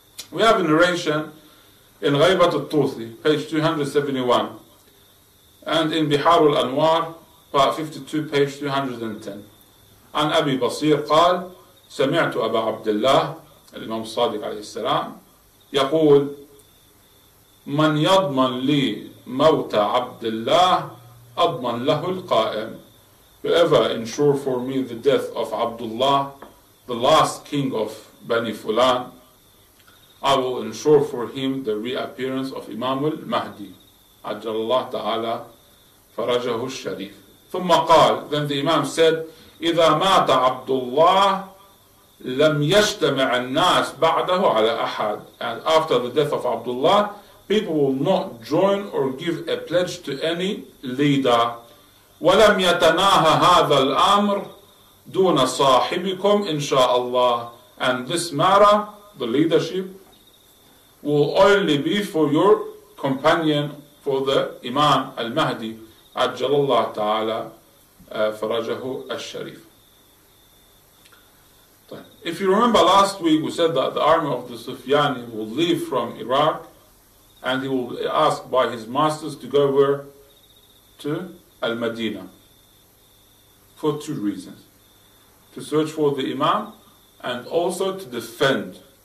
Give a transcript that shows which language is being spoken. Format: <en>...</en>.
<en>We have a narration in Ghaibat al-Tusi, page 271, and in Bihar al-Anwar, part 52, page 210.</en> <ar>عن أبي بصير قال سمعت أبا عبد الله الإمام الصادق عليه السلام يقول من يضمن لي موت عبد الله أضمن له القائم.</ar> <en>Whoever ensure for me the death of Abdullah, the last king of Bani Fulan, I will ensure for him the reappearance of Imam al-Mahdi.</en> <ar>عجل الله تعالى فرجه الشريف. ثم قال,</ar> <en>then the Imam said,</en> <ar>إذا مات عبد الله لم يجتمع الناس بعده على أحد.</ar> <en>And after the death of Abdullah, people will not join or give a pledge to any leader.</en> <ar>ولم يتناهى هذا الأمر دون صاحبكم إن شاء الله.</ar> <en>And this matter, the leadership, will only be for your companion, for the Imam al-Mahdi.</en> <ar>عجل الله تعالى فرجه الشريف.</ar> <en>If you remember last week, we said that the army of the Sufyani will leave from Iraq and he will be asked by his masters to go where? To Al-Madina. For two reasons. To search for the Imam and also to defend.</en>